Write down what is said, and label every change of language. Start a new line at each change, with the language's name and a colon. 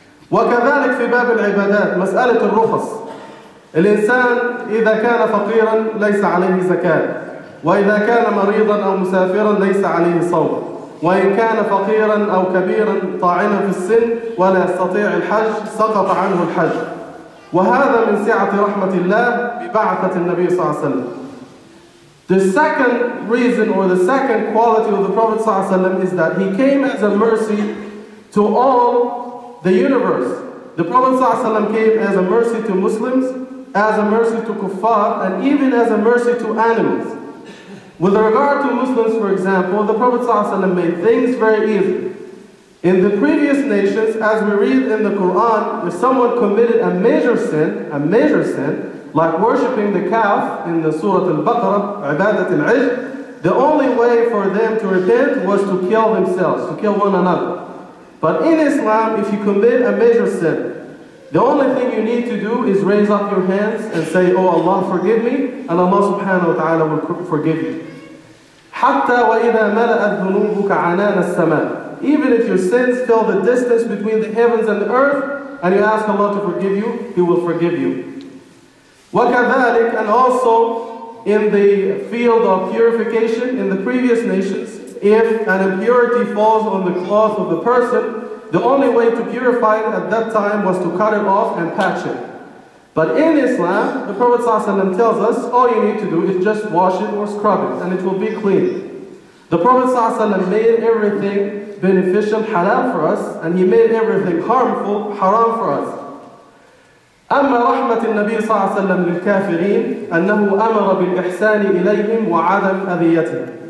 Arabic: وكذلك في باب العبادات مسألة الرخص، الإنسان إذا كان فقيرا ليس عليه زكاة، وإذا كان مريضا أو مسافرا ليس عليه صوم، وإن كان فقيرا أو كبيرا طاعنا في السن ولا يستطيع الحج سقط عنه الحج. وهذا من سعة رحمة الله ببعثة النبي صلى الله عليه وسلم.
English: The second reason or the second quality of the Prophet صلى الله عليه وسلم is that he came as a mercy to all the universe. The Prophet صلى الله عليه وسلم came as a mercy to Muslims, as a mercy to kuffar, and even as a mercy to animals. With regard to Muslims, for example, the Prophet صلى الله عليه وسلم made things very easy. In the previous nations, as we read in the Quran, if someone committed a major sin, like worshipping the calf in the Surah Al-Baqarah,
Arabic: عبادة العجل,
English: the only way for them to repent was to kill themselves, to kill one another. But in Islam, if you commit a major sin, the only thing you need to do is raise up your hands and say, Oh Allah, forgive me, and Allah subhanahu wa ta'ala will forgive you.
Arabic: حتى وإذا ملأت ذنوبك عنان السماء.
English: Even if your sins fill the distance between the heavens and the earth, and you ask Allah to forgive you, He will forgive you. وكذلك, and also in the field of purification in the previous nations, if an impurity falls on the cloth of the person, the only way to purify it at that time was to cut it off and patch it. But in Islam, the Prophet ﷺ tells us, all you need to do is just wash it or scrub it, and it will be clean. The Prophet ﷺ made everything beneficial, halal for us, and he made everything harmful, haram for us.
Arabic: أما رحمة النبي صلى الله عليه وسلم للكافرين أنه أمر بالإحسان إليهم وعدم أذيتهم.